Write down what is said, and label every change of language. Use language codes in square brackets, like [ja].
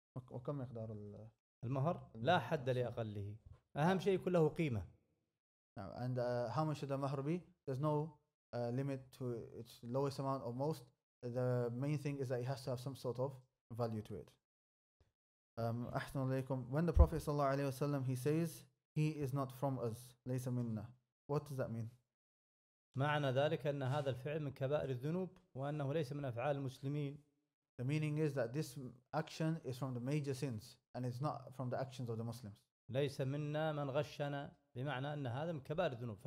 [ar] وكم مقدار المهر؟ لا حد لأقله، أهم شيء كله قيمة. [en] Now, and how much should the mahr be? There's no limit to its lowest amount or most. The main thing is that it has to have some sort of value to it. [ar] أحسن عليكم. [en] When the Prophet sallallahu alayhi wa sallam, he says he is not from us, [ar] ليس منا. [en] What does that mean? [ar] معنى ذلك أن هذا الفعل من كبائر الذنوب وأنه ليس من أفعال المسلمين. [en] The meaning is that this action is from the major sins and it's not from the actions of the Muslims. [ar] ليس منا من غشنا، بمعنى أن هذا من كبائر الذنوب.